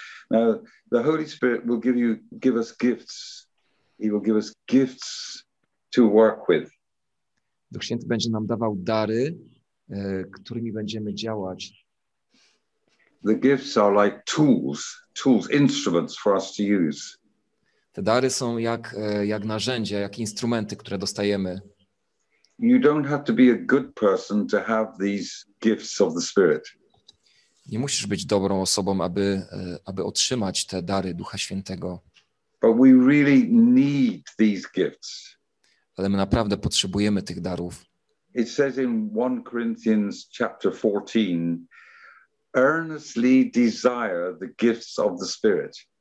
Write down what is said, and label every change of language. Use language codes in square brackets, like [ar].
[en] Now the Holy Spirit will give us gifts. He will give us gifts to work with. [pl] Duch Święty będzie nam dawał dary, którymi będziemy działać. [en] The gifts are like tools, instruments for us to use. [pl] Te dary są jak narzędzia, jak instrumenty, które dostajemy. [en] You don't have to be a good person to have these gifts of the Spirit. [pl] Nie musisz być dobrą osobą, aby otrzymać te dary Ducha Świętego. [en] But we really need these gifts. [pl] Ale my naprawdę potrzebujemy tych darów. [en] It says in 1 Corinthians chapter 14, earnestly desire the gifts of the Spirit.